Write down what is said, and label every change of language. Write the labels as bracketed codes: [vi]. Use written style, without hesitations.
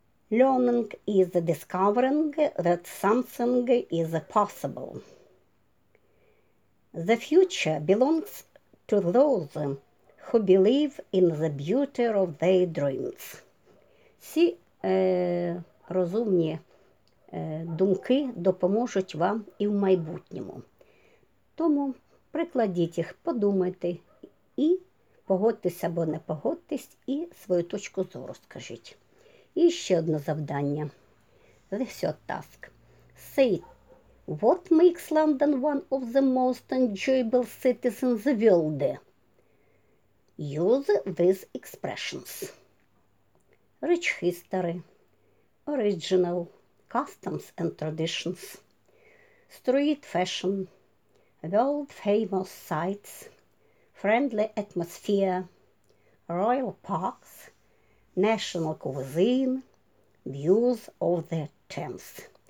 [en] Learning is discovering that something is possible. The future belongs to those who believe in the beauty of their dreams. [uk] Ці розумні думки допоможуть вам і в майбутньому. Тому прикладіть їх, подумайте і погодьтесь або не погодьтесь, і свою точку зору скажіть. І ще одне завдання. [en] The third task. Say, what makes London one of the most enjoyable cities in the world? Use these expressions. Rich history, original, customs and traditions, street fashion, world famous sites, friendly atmosphere, royal parks, national cuisine, views of the Thames.